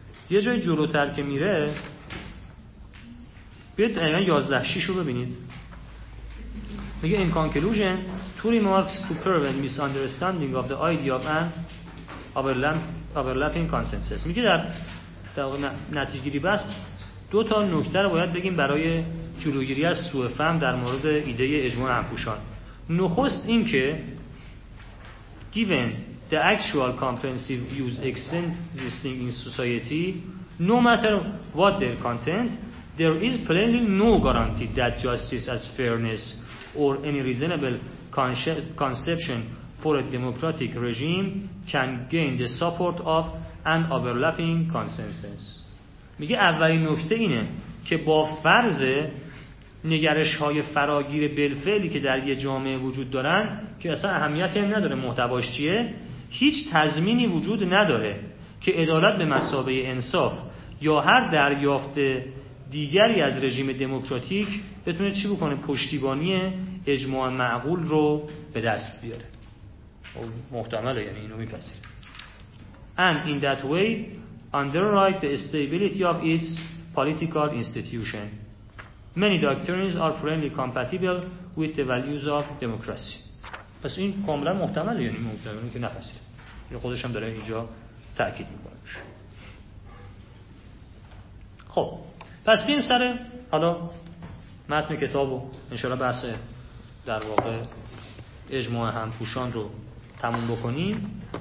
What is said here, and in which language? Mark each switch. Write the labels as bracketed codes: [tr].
[fa] یه جای جلوتر که میره بیاید اینا 11-6 رو ببینید، میگه [en] in conclusion two remarks to prevent misunderstanding of the idea of an overlapping consensus. [fa] میگه در نتیجگیری بس دو تا نکته رو باید بگیم برای جلوگیری از سوء فهم در مورد ایده اجماع همپوشان. نخست این که [en] given the actual comprehensive views existing in society, no matter what their content, there is plainly no guarantee that justice as fairness or any reasonable conception for a democratic regime can gain the support of an overlapping consensus. [fa] میگه اولین نکته اینه که با فرض نگرش های فراگیر بالفعلی که در یه جامعه وجود دارن که اصلا اهمیتی هم نداره محتواش چیه، هیچ تضمینی وجود نداره که عدالت به مثابه انصاف یا هر دریافت دیگری از رژیم دموکراتیک بتونه چی بکنه؟ پشتیبانی اجماع معقول رو به دست بیاره. محتمله، یعنی اینو میپذیریم. [en] And in that way underwrite the stability of its political institution. Many doctrines are friendly compatible with the values of democracy. [fa] پس این کاملا محتمله، یعنی محتمله که نپذیریم. خودش هم داره اینجا تأکید میکنه. خب پس بیم سر حالا متن کتاب و انشاءالله بحث در واقع اجماع همپوشان رو تموم بکنیم.